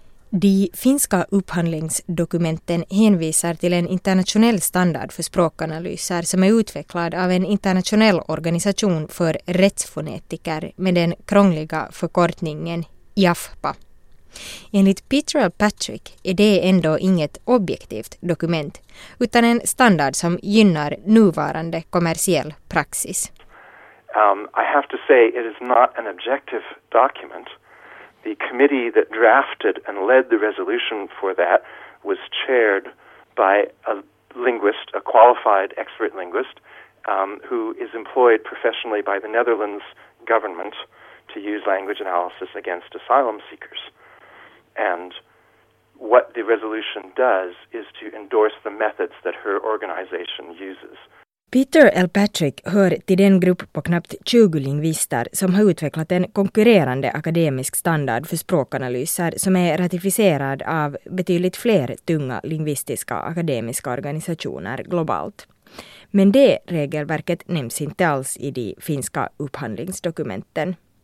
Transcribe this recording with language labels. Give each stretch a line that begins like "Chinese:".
Swedish: De finska upphandlingsdokumenten hänvisar till en internationell standard för språkanalyser som är utvecklad av en internationell organisation för rättsfonetiker med den krångliga förkortningen IAFPA. Enligt Peter Patrick är det ändå inget objektivt dokument utan en standard som gynnar nuvarande kommersiell praxis.
English: I have to say it is not an objective document. The committee that drafted and led the resolution for that was chaired by a linguist, a qualified expert linguist, who is employed professionally by the Netherlands government to use language analysis against asylum seekers. And what the resolution does is to endorse the methods that her organization uses.
Swedish: Peter L. Patrick hör till den grupp på knappt 20 lingvister som har utvecklat en konkurrerande akademisk standard för språkanalyser som är ratificerad av betydligt fler tunga lingvistiska akademiska organisationer globalt. Men det regelverket nämns inte alls i de finska upphandlingsdokumenten.